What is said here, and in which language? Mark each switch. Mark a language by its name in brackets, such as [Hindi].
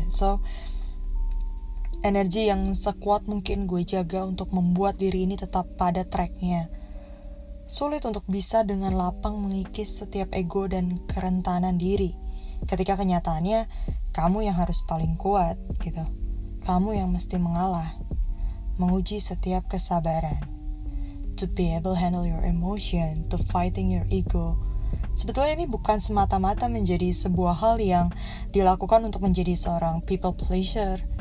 [Indonesian] So energi yang sekuat mungkin gue jaga untuk membuat diri ini tetap pada tracknya. Sulit untuk bisa dengan lapang mengikis setiap ego dan kerentanan diri ketika kenyataannya kamu yang harus paling kuat gitu. Kamu yang mesti mengalah, menguji setiap kesabaran. [English] To be able handle your emotion, to fighting your ego. [Indonesian] Sebetulnya ini bukan semata-mata menjadi sebuah hal yang dilakukan untuk menjadi seorang [English] people pleaser.